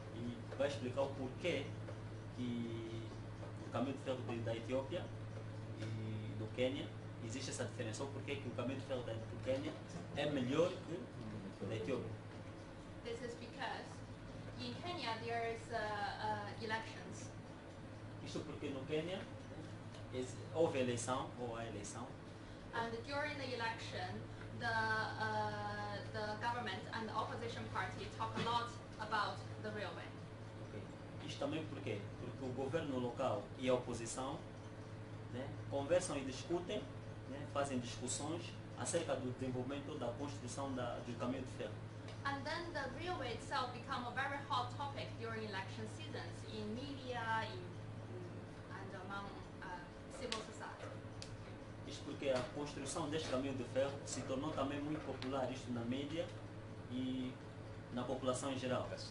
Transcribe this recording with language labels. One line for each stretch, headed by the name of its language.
Portuguese: E vai explicar o porquê que o caminho de ferro da Etiópia e do Quênia existe essa diferença. Ou porquê que o caminho de ferro do Quênia é melhor que o da Etiópia.
English: This is because in Kenya there is elections.
Portuguese: Isso porque no Quênia houve eleição ou a eleição.
English: And during the election, the government and the opposition party talk a lot about the railway. Okay.
Portuguese: Isso também porque o governo local e a oposição, né, conversam e discutem, né, fazem discussões acerca do desenvolvimento da construção do caminho de ferro.
English: And then the railway itself become a very hot topic during election seasons in media, and among civil society.
Portuguese: Isso porque a construção deste caminho de ferro se tornou também muito popular, isto na mídia e na população em geral.